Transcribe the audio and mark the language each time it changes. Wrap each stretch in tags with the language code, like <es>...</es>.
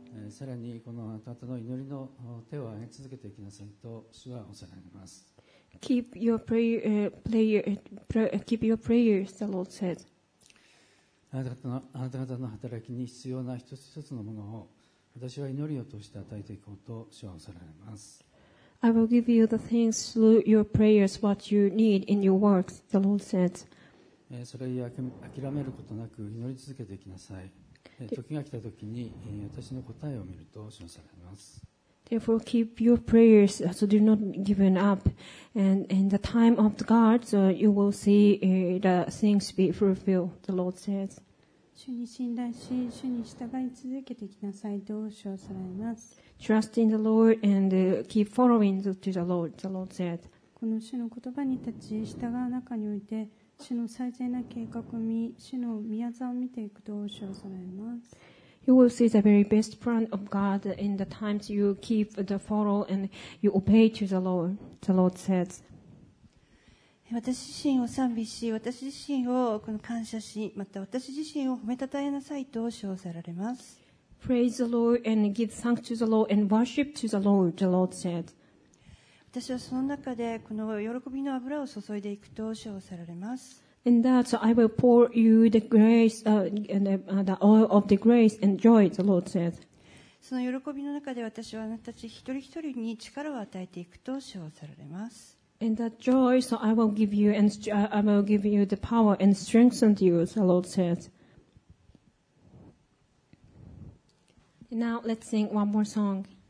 <ja>さらにこのあなたの祈りの手を上げ続けていきなさいと主は仰せられます。</ja> <en>Keep your prayer, the Lord said.</en> <ja>あなた方の働きに必要な一つ一つのものを私は祈りを通して与えていこうと主は仰せられます。</ja> <en>I will give you the things through your prayers, what you need in your works, the Lord said.</en> <ja>それを諦めることなく祈り続けていきなさい。時が来た時に私の答えを見ると示されます。</ja> <en>Therefore keep your prayers, so do not give up. And in the time of the God, so you will see the things be fulfilled, the Lord says.</en> <ja>主に信頼し主に従い続けてきなさいと示されます。</ja> <en>Trust in the Lord and keep following to the Lord, the Lord said.</en> <ja>この主の言葉に立ち従う中において、主の最善な計画を見、主の御業を見ていくと称されます。</ja> <en>You will see the very best plan of God in the times you keep the follow and you obey to the Lord, the Lord says.</en> <ja>私自身を賛美し、私自身をこの感謝し、また私自身を褒めたたえなさいと称されます。</ja> <en>Praise the Lord and give thanks to the Lord and worship to the Lord, the Lord said.</en> <ja>私はその中でこの喜びの油を注いでいくと称されます。</ja> <en>In that, so I will pour you the grace, the oil of the grace and joy, the Lord said.</en> <ja>その喜びの中で私はあなたたち一人一人に力を与えていくと称されます。</ja> <en>In that joy, so I will give you, and I will give you the power and strengthen you, the Lord said. Now, let's sing one more song.</en>